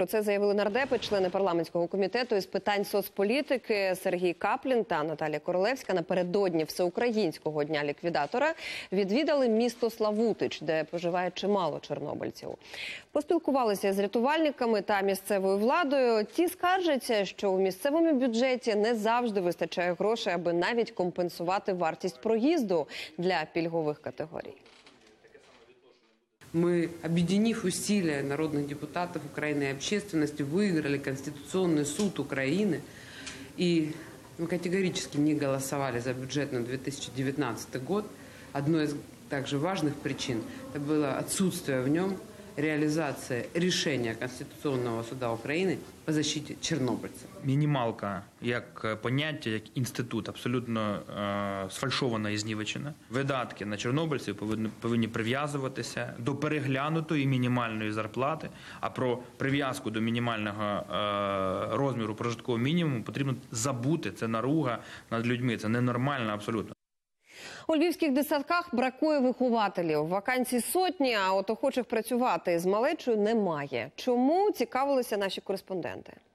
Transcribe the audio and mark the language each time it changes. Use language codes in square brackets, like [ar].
[uk] Про це заявили нардепи, члени парламентського комітету із питань соцполітики Сергій Каплін та Наталія Королевська напередодні Всеукраїнського дня ліквідатора відвідали місто Славутич, де проживає чимало чорнобильців. Поспілкувалися з рятувальниками та місцевою владою. Ті скаржаться, що у місцевому бюджеті не завжди вистачає грошей, аби навіть компенсувати вартість проїзду для пільгових категорій. [ru] Мы, объединив усилия народных депутатов Украины и общественности, выиграли Конституционный суд Украины. И мы категорически не голосовали за бюджет на 2019 год. Одной из также важных причин – это было отсутствие в нем реализации решения Конституционного суда Украины по защите чернобыльцев. Минималка, как понятие, как институт, абсолютно [uk] сфальшована [ru] и [uk] знівечена. Видатки на чернобыльцев повинні прив'язуватися до переглянутої мінімальної зарплати, а про прив'язку до мінімального розміру прожиткового мінімуму потрібно забути. Це наруга над людьми, це ненормально абсолютно. У львівських дитсадках бракує вихователів. Вакансій сотні, а от охочих працювати з малечою немає. Чому, цікавилися наші кореспонденти.